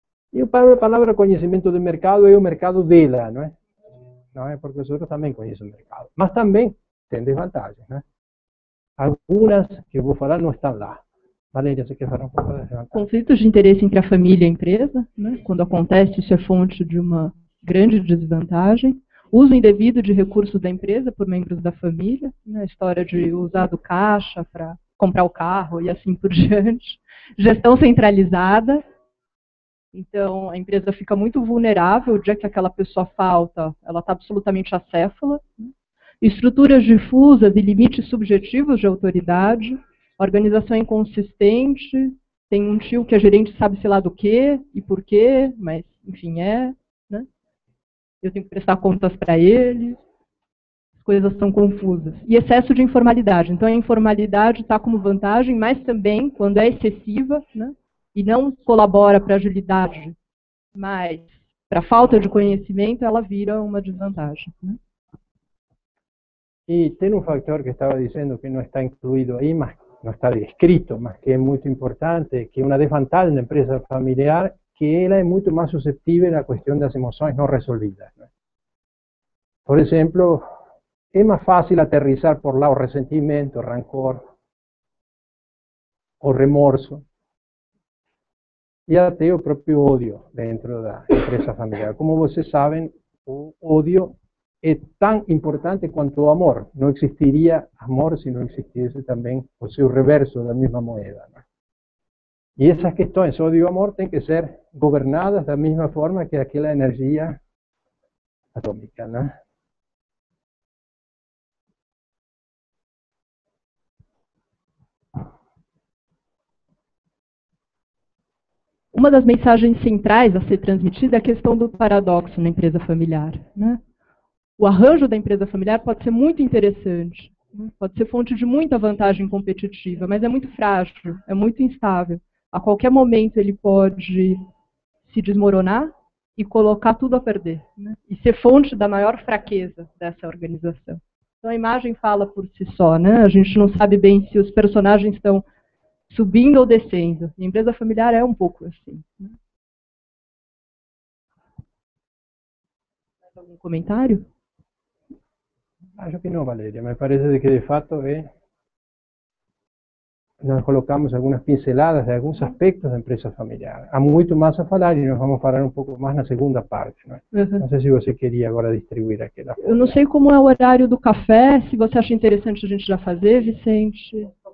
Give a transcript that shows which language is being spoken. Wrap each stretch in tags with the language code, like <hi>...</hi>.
<es>Y la palabra conocimiento de mercado es el mercado de la, ¿no? ¿No? Porque nosotros también conocemos el mercado. Pero también tiene desventajas, ¿no? Algunas que voy a hablar no están lá. Valeria, ¿se quiere hablar un poco de desventajas? Conflictos de interés entre la familia y la empresa, ¿no? Cuando acontece, eso es fonte de una gran desventaja.</es> <pt>Uso indevido de recursos da empresa por membros da família, né, história de usar do caixa para comprar o carro e assim por diante. Gestão centralizada. Então, a empresa fica muito vulnerável. O dia que aquela pessoa falta, ela está absolutamente acéfala. Estruturas difusas e limites subjetivos de autoridade. Organização inconsistente. Tem um tio que é gerente, sabe sei lá do quê e por quê, mas enfim, é... Eu tenho que prestar contas para ele, as coisas são confusas. E excesso de informalidade. Então, a informalidade está como vantagem, mas também, quando é excessiva, né, e não colabora para agilidade, mas para falta de conhecimento, ela vira uma desvantagem. Né? E tem um fator que estava dizendo que não está incluído aí, mas não está descrito, mas que é muito importante, que é uma desvantagem da empresa familiar, que</pt> <es>ella es mucho más susceptible a la cuestión de las emociones no resolvidas. Por ejemplo, es más fácil aterrizar por lado resentimiento, rancor o remorso y hasta el propio odio dentro de la empresa familiar. Como ustedes saben, el odio es tan importante cuanto el amor. No existiría amor si no existiese también o sea, el reverso de la misma moneda. Y esas cuestiones, odio y amor, tienen que ser gobernadas de la misma forma que aquella energía atómica, ¿no? Una de las mensajes centrales a ser transmitida es la cuestión del paradoxo en la empresa familiar, ¿no? El arranjo de la empresa familiar puede ser muy interesante, ¿no? Puede ser fuente de mucha ventaja competitiva, pero es muy frágil, es muy instable.</es> <pt>A qualquer momento ele pode se desmoronar e colocar tudo a perder, né? E ser fonte da maior fraqueza dessa organização. Então a imagem fala por si só, né? A gente não sabe bem se os personagens estão subindo ou descendo. A empresa familiar é um pouco assim. Né? Mais algum comentário? Acho que não, Valeria, mas parece que de fato é...</pt> <es>Nos colocamos algunas pinceladas de algunos aspectos de empresa familiar. Hay mucho más a hablar y nos vamos a hablar un poco más en la segunda parte. ¿No? No sé si usted quería ahora distribuir aquí la forma. Yo no sé cómo es el horario del café, si usted acha interesante a gente ya hacer, Vicente.</es>